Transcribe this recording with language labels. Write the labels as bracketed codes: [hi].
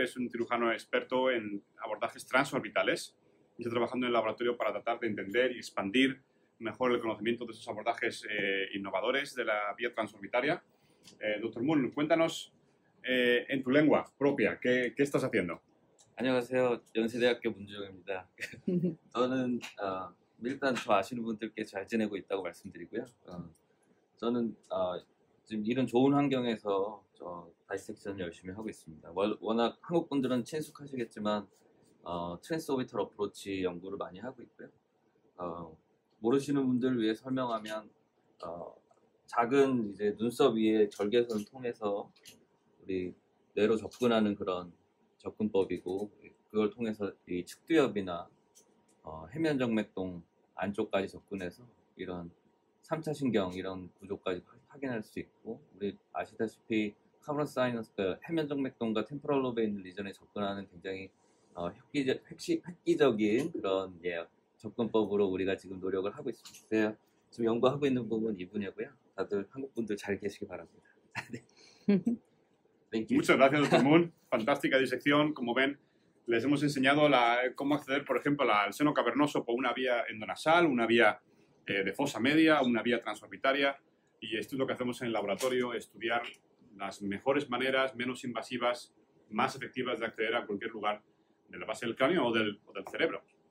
[es] Es un cirujano experto en abordajes transorbitales. Está trabajando en el laboratorio para tratar de entender y expandir mejor el conocimiento de esos abordajes innovadores de la vía transorbitaria. Dr. Moon, cuéntanos en tu lengua propia, ¿qué estás haciendo? [ko] 안녕하세요. 연세대학교 문주영입니다. 저는 일단 저 아시는 분들께 잘 지내고 있다고 말씀드리고요. 저는 지금 이런 좋은 환경에서 저 다이섹션 열심히 하고 있습니다. 워낙 한국 분들은 친숙하시겠지만 트랜스오비털 어프로치 연구를 많이 하고 있고요. 모르시는 분들 위해 설명하면 작은 이제 눈썹 위에 절개선을 통해서 우리 뇌로 접근하는 그런 접근법이고 그걸 통해서 이 측두엽이나 해면정맥동 안쪽까지 접근해서 이런 3차 신경 이런 구조까지 확인할 수 있고 우리 아시다시피 카메론 사이너스 해면정맥동과 템포럴 로브에 있는 리전에 접근하는 굉장히 획기적인 그런 예, 접근법으로 우리가 지금 노력을 하고 있습니다. 그래서 지금 연구하고 있는 부분은 이 분야고요. 다들 한국 분들 잘 계시기 바랍니다. [es] 네. Muchas gracias, Dr. Moon. Fantástica disección. Como ven, les hemos enseñado cómo acceder, por ejemplo, al seno cavernoso por una vía endonasal, una vía de fosa media, una vía transorbitaria, y esto es lo que hacemos en el laboratorio, estudiar las mejores maneras, menos invasivas, más efectivas de acceder a cualquier lugar de la base del cráneo o del cerebro.